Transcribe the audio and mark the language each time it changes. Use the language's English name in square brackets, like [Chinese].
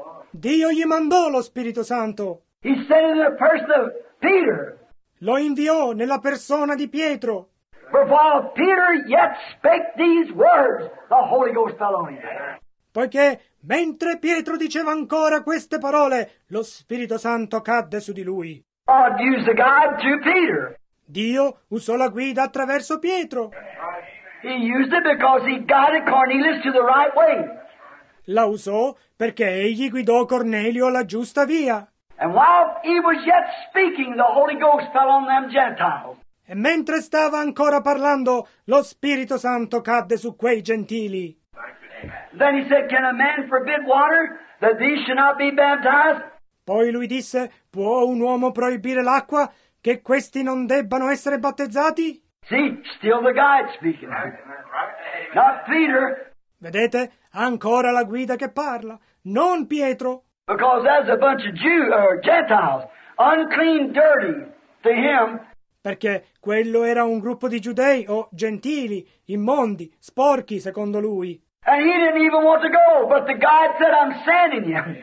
[Italian] Dio gli mandò lo Spirito Santo. [English] He sent him in the person of Peter. [Italian] Lo inviò nella persona di Pietro. [English] For while Peter yet spake these words, the Holy Ghost fell on him. [Italian] Poiché mentre Pietro diceva ancora queste parole, lo Spirito Santo cadde su di lui. [English] God used the guide to Peter. [Italian] Dio usò la guida attraverso Pietro. [English] He used it because he guided Cornelius to the right way. [Italian] La usò perché egli guidò Cornelio alla giusta via. [English] And while he was yet speaking, the Holy Ghost fell on them Gentiles. [Italian] E mentre stava ancora parlando, lo Spirito Santo cadde su quei gentili. [English] Then he said, "Can a man forbid water that these should not be baptized?" [Italian] Poi lui disse, può un uomo proibire l'acqua che questi non debbano essere battezzati? [English] See, still the guide speaking. Not Peter. [Italian] Vedete, ancora la guida che parla, non Pietro. [English] Because that's a bunch of Jews, or Gentiles, unclean, dirty to him. [Italian] Perché quello era un gruppo di giudei o gentili, immondi, sporchi, secondo lui. [English] And he didn't even want to go, but the guide said, "I'm sending you."